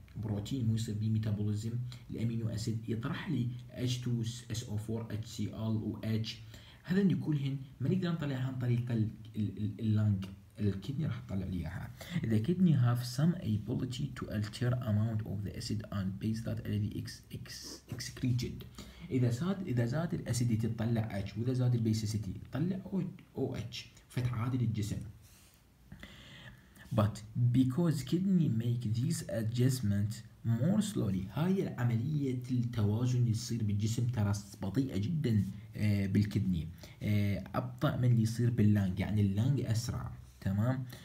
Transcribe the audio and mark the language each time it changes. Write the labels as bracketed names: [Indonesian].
[Arabic] بروتين مو يصير بيه ميتابوليزم الأمينو أسيد يطرح لي H2SO4 HCl و H هذا اللي كلهن ما نقدر نطلعها عن طريق اللانج الكيدني راح تطلع ليها. [English] The kidney have some ability to alter amount of the acid and base that already excreted. [Arabic] إذا زاد الأسيديتي تطلع H وإذا زاد البيسيسيتي تطلع OH فتعادل الجسم. [English] But because kidney make these adjustments more slowly [Arabic] هاي العملية التوازن يصير بالجسم ترى بطيئة جدا بالكيدني أبطأ من اللي يصير باللانج يعني اللانج أسرع تمام.